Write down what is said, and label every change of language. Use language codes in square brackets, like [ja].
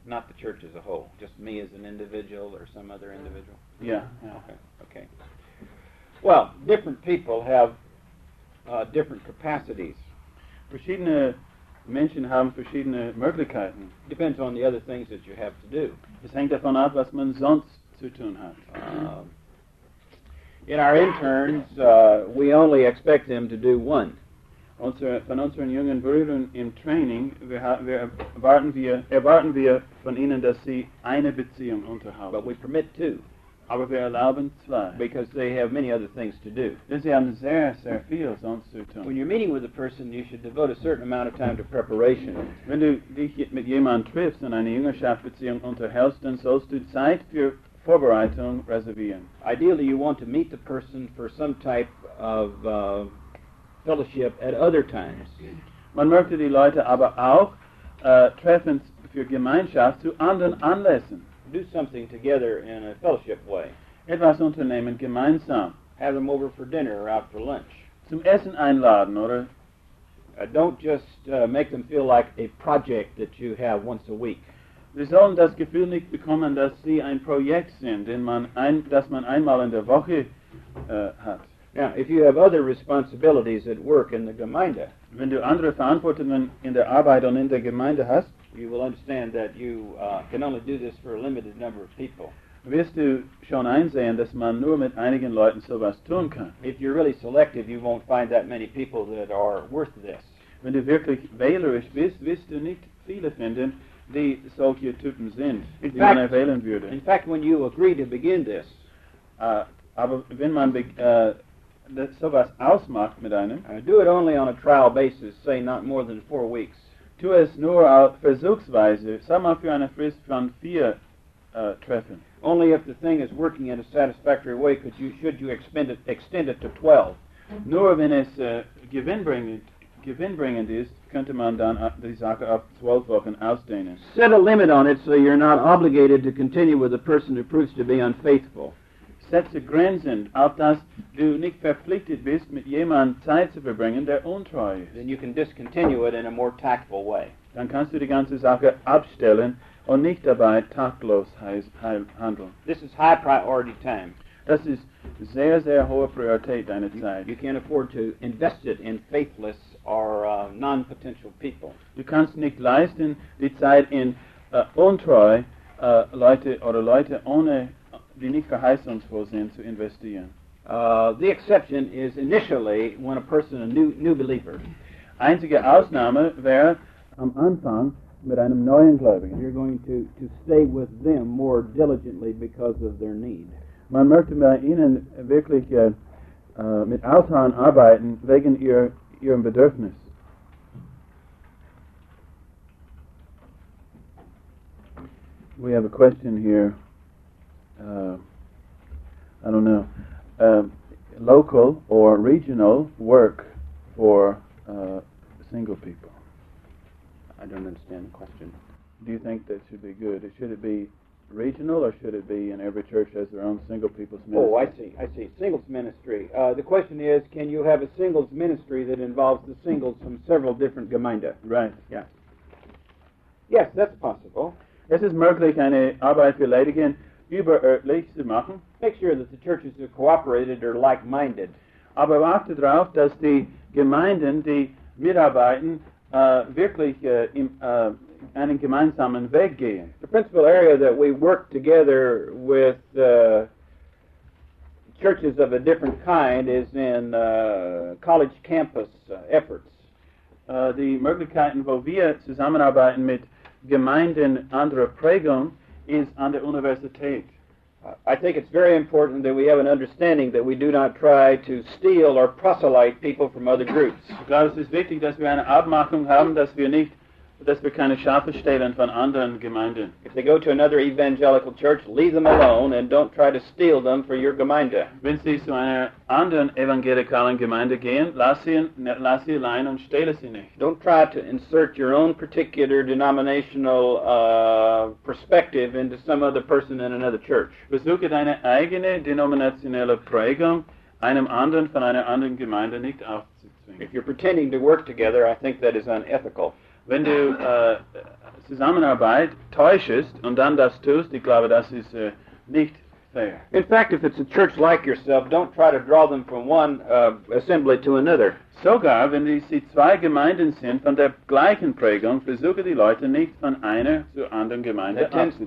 [en] Not the church as a whole. Just me as an individual or some other individual? Yeah. Okay. Well, different people have different capacities. [de] Verschiedene Menschen haben verschiedene Möglichkeiten. [en] Depends on the other things that you have to do. [de] Es hängt davon ab, was man sonst zu tun hat. [en] In our interns, we only expect them to do one. [de] Von unseren jungen Brüdern im Training, erwarten wir von ihnen, dass sie eine Beziehung unterhalten. [en] But we permit two. [de] Aber wir erlauben zwei. [en] Because they have many other things to do. [de] Sie haben sehr, sehr viel sonst zu tun. [en] When you're meeting with a person, you should devote a certain amount of time to preparation. [de] Wenn du dich mit jemandem triffst und eine Jüngerschaftsbeziehung unterhältst, dann sollst du Zeit für Vorbereitung reservieren. [en] Ideally, you want to meet the person for some type of fellowship at other times. [de] Man möchte die Leute aber auch treffen für Gemeinschaft zu anderen Anlässen. [en] Do something together in a fellowship way. [de] Etwas unternehmen gemeinsam. [en] Have them over for dinner or out for lunch. [de] Zum Essen einladen, oder? [en] Don't just make them feel like a project that you have once a week. [de] Sie sollen das Gefühl nicht bekommen, dass sie ein Projekt sind, das man einmal in der Woche hat. [en] Now, if you have other responsibilities at work in the Gemeinde, [de] wenn du andere Verantwortungen in der Arbeit und in der Gemeinde hast, [en] you will understand that you can only do this for a limited number of people. [de] Wirst du schon einsehen, dass man nur mit einigen Leuten sowas tun kann. [en] If you're really selective, you won't find that many people that are worth this. [de] Wenn du wirklich wählerisch bist, wirst du nicht viele finden, die solche Typen sind, die man erwählen würde. [en] In fact, when you agree to begin this, [de] aber wenn man sowas ausmacht mit einem, [en] do it only on a trial basis, say not more than 4 weeks. [de] Tu es nur versuchsweise, sag mal für eine Frist von 4 Treffen. [en] Only if the thing is working in a satisfactory way should you extend it to 12. [de] Nur wenn es gewinnbringend ist, könnte man dann die Sache auf 12 Wochen ausdehnen. [en] Set a limit on it, so you're not obligated to continue with a person who proves to be unfaithful. [de] Setze Grenzen, auf dass du nicht verpflichtet bist, mit jemandem Zeit zu verbringen, der untreu ist. [en] Then you can discontinue it in a more tactful way. [de] Dann kannst du die ganze Sache abstellen und nicht dabei taktlos handeln. [en] This is high priority time. [de] Das ist sehr, sehr hohe Priorität, deine Zeit. [en] You can't afford to invest it in faithless or non-potential people. [de] Du kannst nicht leisten, die Zeit in untreu Leute oder Leute ohne, die nicht verheißungsvoll sind, zu investieren. [en] The exception is initially when a person, a new believer. [de] Einzige Ausnahme wäre, am Anfang mit einem neuen Gläubigen. [en] You're going to stay with them more diligently because of their need. [de] Man möchte bei ihnen wirklich mit Ausharren arbeiten wegen ihrem Bedürfnis. [en] We have a question here. I don't know. Local or regional work for single people. I don't understand the question. Do you think that should be good? Should it be regional, or should it be in every church as their own single people's ministry? Oh, I see. Singles ministry. The question is, can you have a singles ministry that involves the singles from several different Gemeinde? Right. Yeah. Yes, that's possible. [de] Es ist möglich, eine Arbeit für Leidigen überörtlich zu machen. [en] Make sure that the churches are cooperated or like-minded. [de] Aber achte darauf, dass die Gemeinden, die mitarbeiten, wirklich einen gemeinsamen Weg gehen. [en] The principal area that we work together with churches of a different kind is in college campus efforts. [de] Die Möglichkeiten, wo wir zusammenarbeiten mit Gemeinden anderer Prägung, ist an der Universität. [en] I think it's very important that we have an understanding that we do not try to steal or proselyte people from other groups. [de] Ich glaube, es ist wichtig, dass wir eine Abmachung haben, dass wir keine Schafe stehlen von anderen Gemeinden. [en] If they go to another evangelical church, leave them alone and don't try to steal them for your Gemeinde. [de] Wenn sie zu einer anderen evangelikalen Gemeinde gehen, lass sie allein und stehle sie nicht. [en] Don't try to insert your own particular denominational perspective into some other person in another church. [de] Versuche deine eigene denominationelle Prägung einem anderen von einer anderen Gemeinde nicht aufzuzwingen. [en] If you're pretending to work together, I think that is unethical. [de] Wenn du Zusammenarbeit täuschest und dann das tust, ich glaube, das ist nicht fair. [en] In fact, if it's a church like yourself, don't try to draw them from one assembly to another. [de] Sogar, wenn sie zwei Gemeinden sind von der gleichen Prägung, versuche die Leute nicht von einer zu anderen Gemeinde abzuziehen.